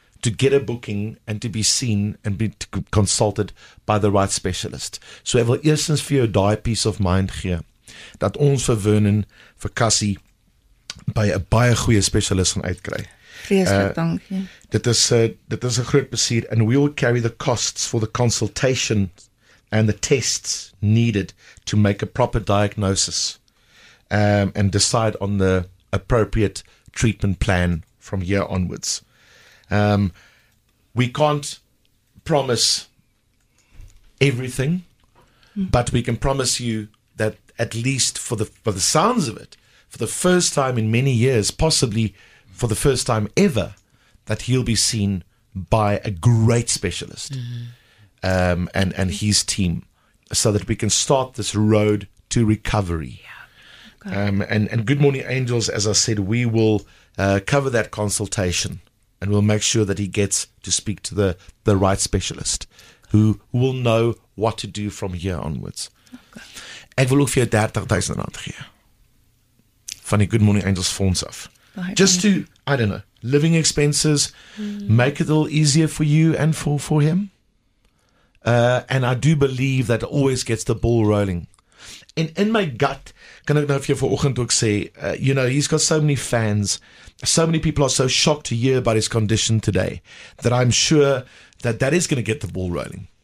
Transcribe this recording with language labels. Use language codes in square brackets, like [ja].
[en] To get a booking and to be seen and be consulted by the right specialist. [af] So ek wil eerstens vir jou die [en] peace of mind [af] gee, dat ons vir Vernon, vir Cassie, by 'n baie goeie spesialis gaan uitkry. Dankie. Dit is 'n groot plesier, [en] and we will carry the costs for the consultation and the tests needed to make a proper diagnosis and decide on the appropriate treatment plan from here onwards. We can't promise everything, but we can promise you that at least for the sounds of it, for the first time in many years, possibly for the first time ever, that he'll be seen by a great specialist and his team, so that we can start this road to recovery. Yeah. And Good Morning Angels, as I said, we will cover that consultation, and we'll make sure that he gets to speak to the right specialist who will know what to do from here onwards. Okay. [af] Ek wil ook vir jou R30,000 gee van die Good Morning Angels fonds af. [en] Just to, I don't know, living expenses, make it a little easier for you and for him. And I do believe that it always gets the ball rolling. And in my gut, [af] kan ek nou vir jou vanoggend ook sê, [en] you know, he's got so many fans, so many people are so shocked to hear about his condition today, that I'm sure that is going to get the ball rolling.